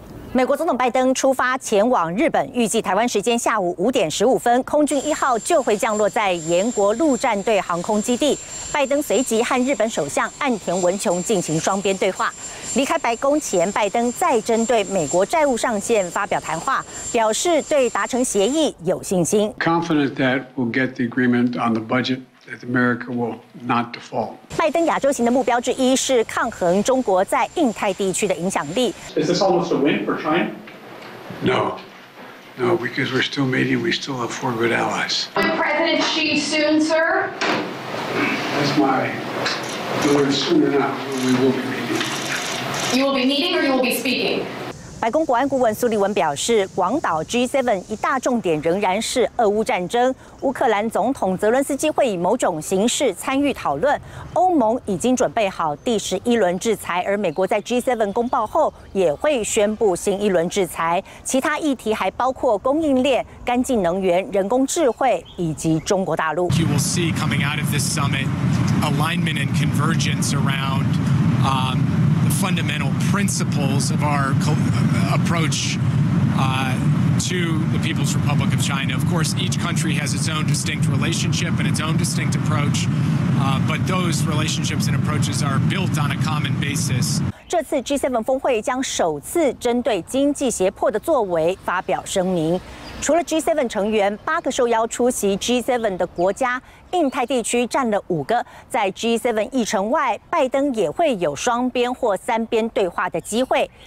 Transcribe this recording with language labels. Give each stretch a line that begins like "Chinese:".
Chinese: 美国总统拜登出发前往日本，预计台湾时间下午5:15，空军一号就会降落在岩国陆战队航空基地。拜登随即和日本首相岸田文雄进行双边对话。离开白宫前，拜登再针对美国债务上限发表谈话，表示对达成协议有信心。
English: Confident that we'll get the agreement on the budget. That America will not default.
Chinese: 拜登亚洲行的目标之一是抗衡中国在印太地区的影响力。
English: Is this almost a win for China? No, no, because we're still meeting. We still have 4 good allies. President Xi soon, sir. That's my word. Soon or not, we will be meeting. You will be meeting, or you will be speaking.
Chinese: 白宫国安顾问苏利文表示，广岛 G7 一大重点仍然是俄乌战争，乌克兰总统泽伦斯基会以某种形式参与讨论，欧盟已经准备好第11轮制裁，而美国在 G7 公报后也会宣布新一轮制裁，其他议题还包括供应链、干净能源、人工智慧以及中国大陆。
English: You will see coming out of this summit alignment and convergence aroundfundamental principles of our approach to the People's Republic of China. Of course, each country has its own distinct relationship and its own distinct approach, but those relationships and approaches are built on a common basis.
Chinese: 这次 G7 峰会将首次针对经济胁迫的作为发表声明。除了 G7 成员，8个受邀出席 G7 的国家，印太地区占了5个。在 G7 议程外，拜登也会有双边或三边对话的机会。